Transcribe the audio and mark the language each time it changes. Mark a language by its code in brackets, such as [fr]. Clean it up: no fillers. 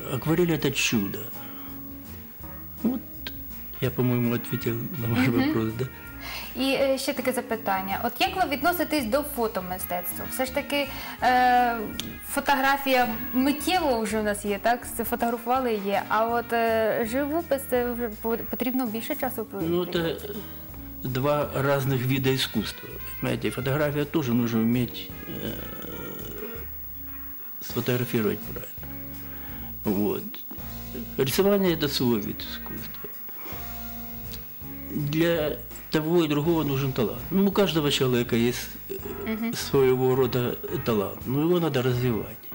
[ru] Акварель – это чудо. Вот я, по-моему, ответил на ваш вопрос, да? [uk] І ще таке запитання. От як ви відноситесь до фотомистецтва? Все ж таки фотографія миттєво вже в нас є, так? Фотографували і є. А от живопис – це вже потрібно більше часу? Це два різних види іскусства. [ru] Знаете, фотография тоже нужно уметь сфотографировать правильно. Вот. Рисование – это свой вид искусства. Для того и другого нужен талант. У каждого человека есть своего рода талант, но его надо развивать.